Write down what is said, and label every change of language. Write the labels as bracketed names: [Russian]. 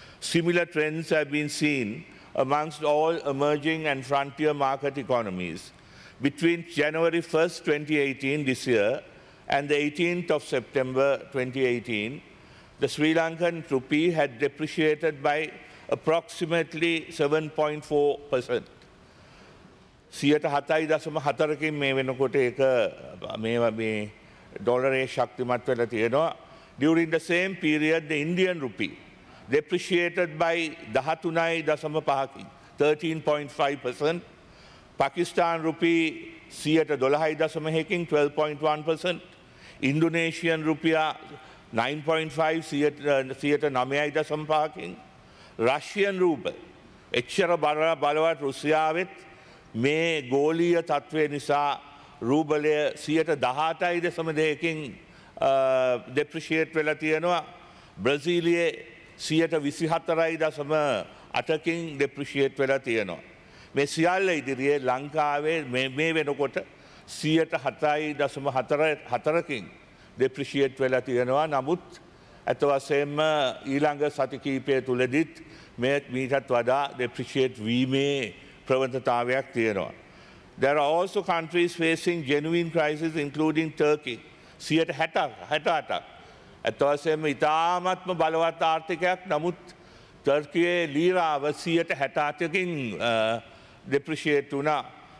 [English] Similar trends have been seen amongst all emerging and frontier market economies. Between January 1, 2018 this year and the 18th of September 2018, the Sri Lankan rupee had depreciated by approximately 7.4%. [Sinhala] සියයට හතයි දසම හතරකින් මේ වෙනකොට ඒක මේ ඩොලරේ ශක්තිමත් වෙලා තියෙනවා. [English] During the same period, the Indian rupee depreciated by 13.5%, 13.5%. Pakistan rupee, 12.1%. Indonesian rupiah, 9.5%. Russian ruble, [Sinhala] එච්චර බලවත් රුසියාවෙත් මේ ගෝලීය තත්ත්වය නිසා රූබලය 18.2% ඩෙප්‍රිෂියේට් වෙලා තියෙනවා. බ්‍රසීලියේ 24.8% ඩෙප්‍රිෂියේට් වෙලා තියෙනවා. මේ සියල්ල ඉදිරියේ ලංකාවේ මේ වෙනකොට 7.4% ඩෙප්‍රිෂියේට් වෙලා තියෙනවා. නමුත් අත වශයෙන්ම ඊළඟ සති කීපය තුලදිත් මේ මීටත් වඩා ඩෙප්‍රිෂියේට් වීමේ ප්‍රවණතාවයක් තියෙනවා. [English] There are also countries facing genuine crisis, including Turkey. 68%. [Sinhala] අත වශයෙන්ම ඉතාමත්ම බලවත් ආර්ථිකයක්. නමුත් තුර්කියේ ලීරාව 68%කින් ඩෙප්‍රිෂියේට් වුණා.